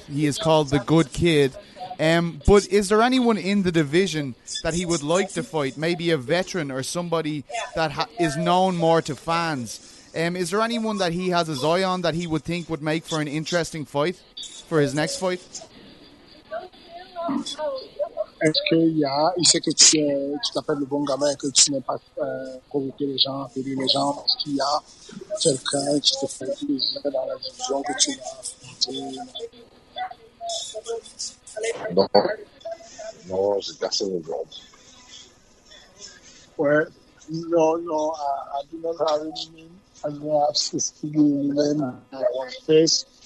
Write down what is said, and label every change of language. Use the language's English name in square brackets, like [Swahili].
[English] He is called the good kid. But is there anyone in the division that he would like to fight? Maybe a veteran or somebody that is known more to fans. Is there anyone that he has his eye on that he would think would make for an interesting fight for his next fight? [French] Est-ce qu'il y a, il sait que tu t'appelles le bon gamin, que tu n'aimes pas provoquer les gens, périr les gens, parce qu'il y a quelqu'un qui te fait plaisir dans la division que tu vas affronter? Non, j'ai personne aujourd'hui. [English] Ouais, non, I do not have any name. I don't have specific name in my face.